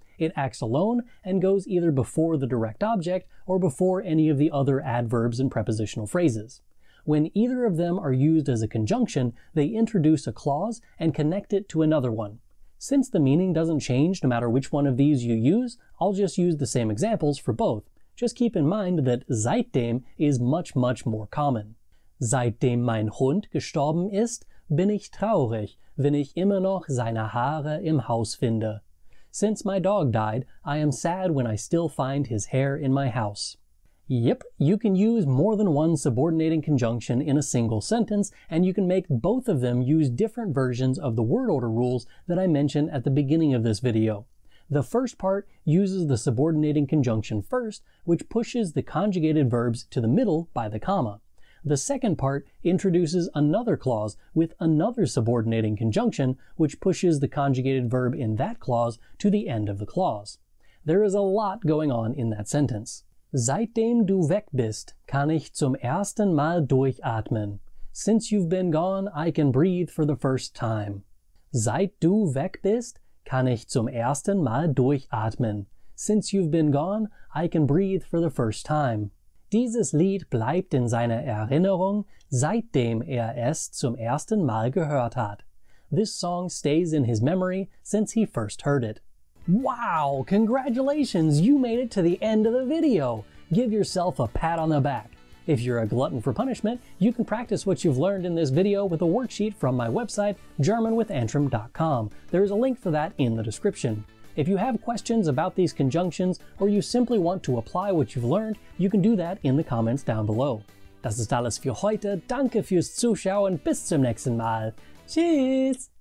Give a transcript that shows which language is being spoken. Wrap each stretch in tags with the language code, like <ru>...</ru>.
<en>It acts alone and goes either before the direct object or before any of the other adverbs and prepositional phrases. When either of them are used as a conjunction, they introduce a clause and connect it to another one. Since the meaning doesn't change no matter which one of these you use, I'll just use the same examples for both. Just keep in mind that seitdem is much, much more common.</en> <de>Seitdem mein Hund gestorben ist, bin ich traurig, wenn ich immer noch seine Haare im Haus finde.</de> <en>Since my dog died, I am sad when I still find his hair in my house. Yep, you can use more than one subordinating conjunction in a single sentence, and you can make both of them use different versions of the word order rules that I mentioned at the beginning of this video. The first part uses the subordinating conjunction first, which pushes the conjugated verbs to the middle by the comma. The second part introduces another clause with another subordinating conjunction, which pushes the conjugated verb in that clause to the end of the clause. There is a lot going on in that sentence.</en> <de>Seitdem du weg bist, kann ich zum ersten Mal durchatmen.</de> <en>Since you've been gone, I can breathe for the first time.</en> <de>Seit du weg bist, kann ich zum ersten Mal durchatmen.</de> <en>Since you've been gone, I can breathe for the first time.</en> <de>Dieses Lied bleibt in seiner Erinnerung, seitdem es zum ersten Mal gehört hat.</de> <en>This song stays in his memory since he first heard it. Wow! Congratulations! You made it to the end of the video! Give yourself a pat on the back. If you're a glutton for punishment, you can practice what you've learned in this video with a worksheet from my website, germanwithantrim.com. There is a link for that in the description. If you have questions about these conjunctions, or you simply want to apply what you've learned, you can do that in the comments down below.</en> <de>Das ist alles für heute. Danke fürs Zuschauen. Bis zum nächsten Mal. Tschüss!</de>